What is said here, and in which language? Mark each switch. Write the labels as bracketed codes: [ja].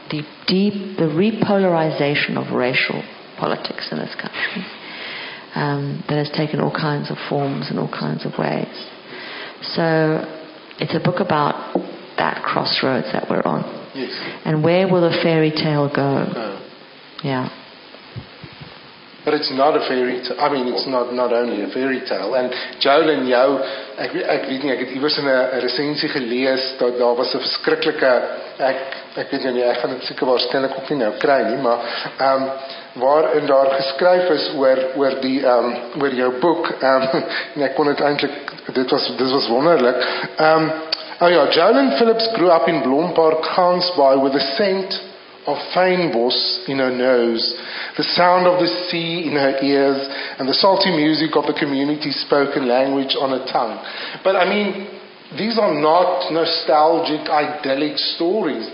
[en] the repolarization of racial politics in this country that has taken all kinds of forms and all kinds of ways. So it's a book about that crossroads that we're on. Yes. And where will the fairy tale go? Yeah. But it's not a fairy tale. I mean, it's not only a fairy tale. [af] And Joel en jou, ek weet nie, ek het iewers in 'n resensie gelees dat daar was 'n verskriklike, ek weet nie, ek gaan dit seker waarskynlik ook nie nou kry nie, maar waarin daar geskryf is oor die oor jou boek, en ek kon dit eintlik, dit was wonderlik. [en] Joel en Phillips grew up in Bloempark, Gansbaai, with a scent of fynbos in her nose, the sound of the sea in her ears, and the salty music of the community's spoken language on her tongue. But I mean, these are not nostalgic, idyllic stories.